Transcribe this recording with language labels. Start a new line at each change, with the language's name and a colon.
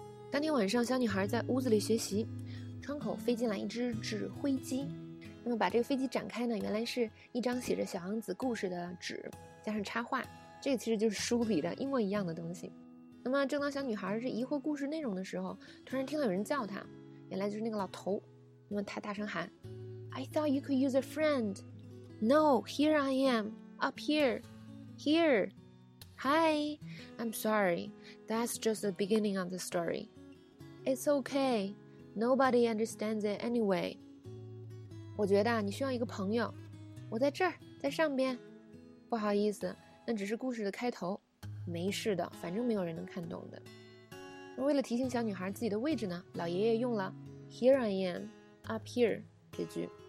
Chinese: 当天晚上，小女孩在屋子里学习，窗口飞进来一只纸灰机。那么把这个飞机展开呢，原来是一张写着小王子故事的纸，加上插画。这个其实就是书里的一模一样的东西。那么正当小女孩是疑惑故事内容的时候，突然听到有人叫她，原来就是那个老头。那么她大声喊
English: ：“I thought you could use a friend.” No, here I am, up here, here. Hi, I'm sorry. That's just the beginning of the story. It's okay. Nobody understands it anyway.
Chinese: 我觉得啊，你需要一个朋友。我在这儿，在上边。不好意思，那只是故事的开头。没事的，反正没有人能看懂的。为了提醒小女孩自己的位置呢，老爷爷用了
English: "Here I am, up here"
Chinese: 这句。